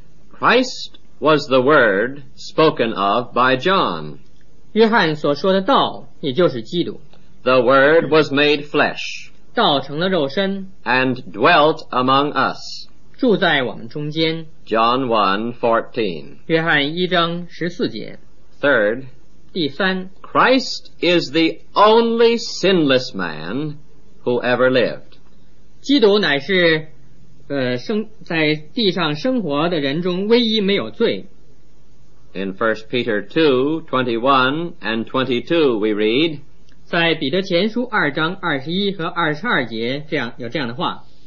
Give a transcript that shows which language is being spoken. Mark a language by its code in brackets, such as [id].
[en] Christ was the word spoken of by John. [zh] 约翰所说的道也就是基督。 [en] The word was made flesh. [zh] 道成了肉身。 [en] And dwelt among us. [zh] 住在我们中间。 [en] John 1:14. [zh] 约翰一章十四节。 [en] Third, [zh] 第三， [en] Christ is the only sinless man who ever lived. [zh] 基督乃是在地上生活的人中唯一没有罪。 [en] In 1 Peter 2:21-22 we read, [zh] 在彼得前书二章二十一和二十二节这样有这样的话。